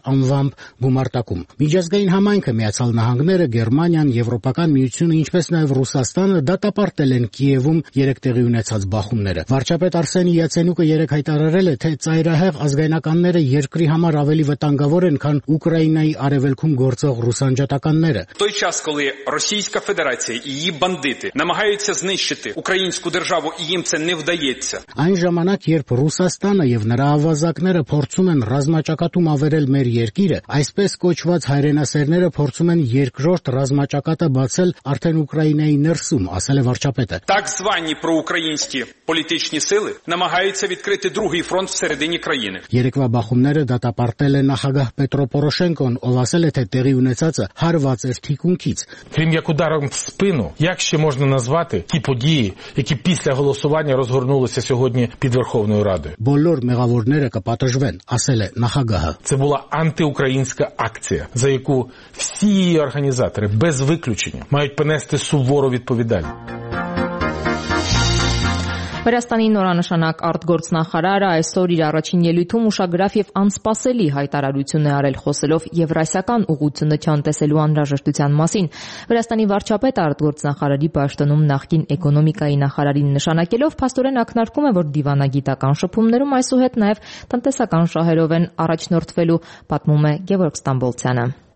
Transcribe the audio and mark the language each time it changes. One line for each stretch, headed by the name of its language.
Armenian: անվամբ գումարտակում։ Միջազգային համայնքը, Միացյալ Նահանգները, Գերմանիան, Եվրոպական Միությունը, ինչպես նաև Ռուսաստանը դատապարտել են Կիևում երեք տեղի ունեցած բախումները։ Վարչապետ Արսենի Յացենուկը երեկ հայտարարել է, թե ծայրահեղ ազգայնականները երկրի համար ավելի վտանգավոր են, քան Ուկրաինայի արևելքում գործող ռուսանջատականները։
Ukrainian: Той час, коли Російська Федерація і її бандити намагаються знищити українську державу, і їм це не вдається.
Armenian: Այն ժամանակ, երբ Ռուսաստանը եւ նրա ավազակները փորձում են ռազմաճակատում ավերել մեր երկիրը, այսպես կոչված հայրենասերները փորձում են երկրորդ ռազմաճակատը բացել արդեն Ուկրաինայի ներսում, ասել է վարչապետը։
Ukrainian: Так звані проукраїнські політичні сили намагаються відкрити другий фронт всередині країни.
Armenian: Երեկվա բախումները դատապարտել է նախագահ Պետրո Պորոշենկոն, ով ասել է, թե տեղի ունեցածը հարված էր թիկունքից։
Ukrainian: Крім як ударом в спину, як ще можна назвати ті події, які після голосування розгорнулися сьогодні під Верховною Радою?
Armenian: Բոլոր մեгаվորները կպատժվեն, ասել է նախագահը։
Ukrainian: Це була антиукраїнська акція, за яку всі організатори без виключення мають понести сувору відповідальність.
Armenian: Վրաստանի նորանշանակ արտգործնախարարը այսօր իր առաջին ելույթում ուշագրավ եւ անսպասելի հայտարարություն է արել, խոսելով եվրասիական ուղղությունը չանտեսելու անհրաժեշտության մասին։ Վրաստանի վարչապետը արտգործնախարարի պաշտոնում նախկին էկոնոմիկայի նախարարին նշանակելով փաստորեն ակնարկում է, որ դիվանագիտական շփումներում այսուհետ նաեւ տնտեսական շահերով են առաջնորդվելու, պատմում է Գևորգ Ստամբոլցյանը։